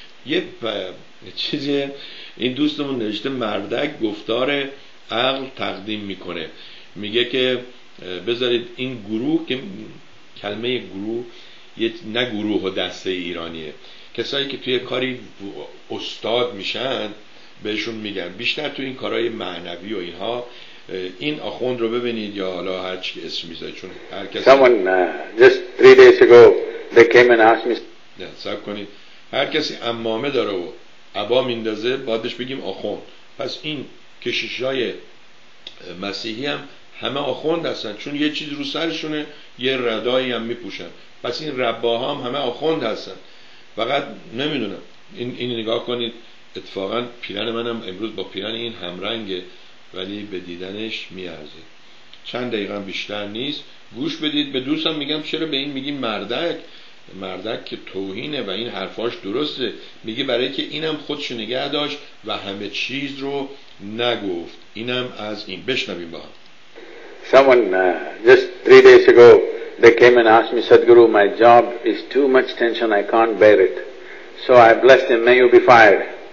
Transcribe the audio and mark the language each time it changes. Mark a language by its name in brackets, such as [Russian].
[Persian] یه چیزی این دوستمون نوشته، مردک گفتار عقل تقدیم میکنه، میگه که بذارید این گروه، که کلمه گروه نه گروه و دسته ایرانیه، کسایی که توی کاری استاد میشن بهشون میگن، بیشتر تو این کارهای معنوی و اینها، این آخوند رو ببینید یا حالا هر چی که اسم میذاره، چون هر کسی [English] just 3 days ago they came and asked me. [Persian] نه صبر کنید، هر کسی عمامه داره و عبا میندازه بعدش بگیم آخوند. پس این کشیشای مسیحی هم همه آخوند هستن، چون یه چیز رو سرشونه، یه ردایی هم میپوشن. پس این رباها هم همه آخوند هستن، فقط نمیدونم. این نگاه کنید، اتفاقا پیرن منم امروز با پیرن این همرنگه، ولی به دیدنش میارزه. چند دقیقه بیشتر نیست، گوش بدید به دوستم. میگم چرا به این میگی مردک؟ مردک که توهینه و این حرفاش درسته، میگه برای که اینم خودش نگه داشت و همه چیز رو نگفت. اینم از این، بشنویم با هم. [English] Someone just 3 days ago they came and asked me, Sadhguru, my job is too much tension, I can't bear it, so I bless them, may you be fired.